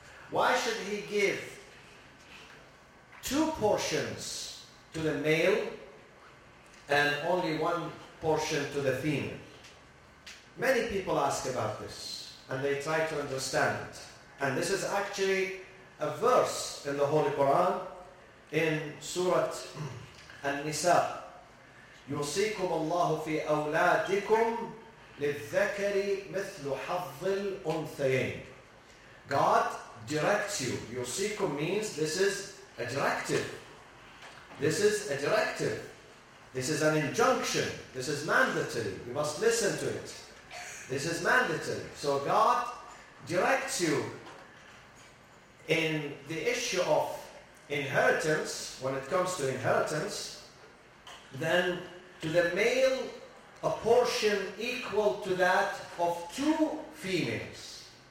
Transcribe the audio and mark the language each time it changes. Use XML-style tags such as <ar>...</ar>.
<en>Why should he give two portions to the male and only one portion to the female? Many people ask about this and they try to understand it. And this is actually a verse in the Holy Quran in Surah An-Nisa.</en> <ar>يوصيكم الله في أولادكم للذكر مثل حظ الأنثيين.</ar> <en>God directs you. يوصيكم means this is a directive. This is a directive. This is an injunction. This is mandatory. You must listen to it. This is mandatory. So God directs you in the issue of inheritance, when it comes to inheritance, then to the male, a portion equal to that of two females.</en>